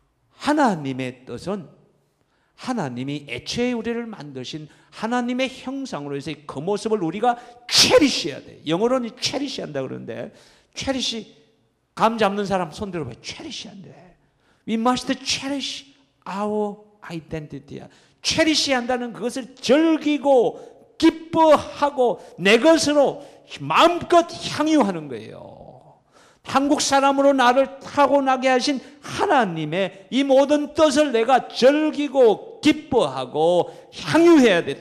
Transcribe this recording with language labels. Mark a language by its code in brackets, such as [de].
[ko] 하나님의 뜻은 하나님이 애초에 우리를 만드신 하나님의 형상으로 해서 그 모습을 우리가 체리시해야 돼. 영어로는 체리시한다 그러는데, 체리시, 감 잡는 사람 손들어 봐. 체리시한대. [en] We must cherish our identity. [ko] 체리시한다는 그것을 즐기고 기뻐하고 내 것으로 마음껏 향유하는 거예요. 한국 사람으로 나를 타고나게 하신 하나님의 이 모든 뜻을 내가 즐기고 기뻐하고 향유해야 돼.